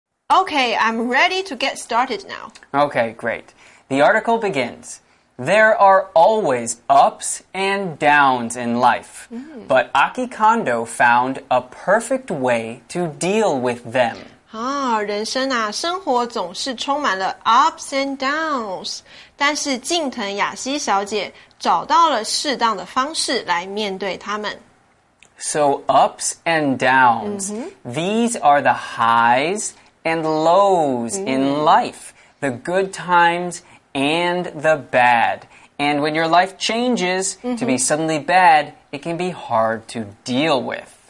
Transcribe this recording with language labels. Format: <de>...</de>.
<en>Okay, I'm ready to get started now. Okay, great. The article begins. There are always ups and downs in life,but Aki Kondo found a perfect way to deal with them.</en> <zh>啊，人生啊，生活总是充满了</zh> <en>ups and downs.</en> <zh>但是近藤雅希小姐找到了适当的方式来面对他们。</zh> <en>So ups and downs,these are the highs... and lows in life, the good times and the bad. And when your life changes to be suddenly bad, it can be hard to deal with.</en>